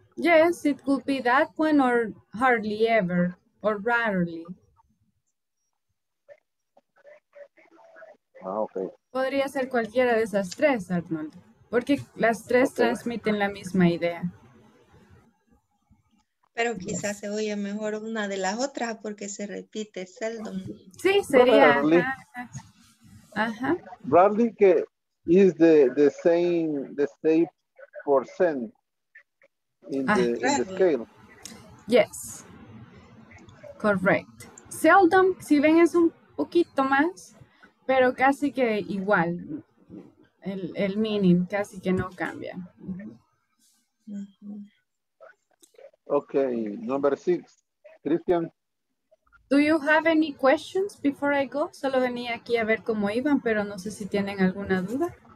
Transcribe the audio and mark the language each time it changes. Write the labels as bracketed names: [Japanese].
[English] Yes, it could be that one, or hardly ever, or rarely. Ah, okay. [Spanish] Podría ser cualquiera de esas tres, Arnold, porque las tres transmiten la misma idea. Pero quizás se oye mejor una de las otras porque se repite seldom. Sí, sería. Ajá. [English] Rarely, que is the same percent in the scale. Yes. Correct. [Spanish] Seldom, si ven, es un poquito más, pero casi que igual. El meaning casi que no cambia. [English] Okay, number 6. Christian. Do you have any questions before I go? [Spanish] Solo venía aquí a ver cómo iban, pero no sé si tienen alguna duda.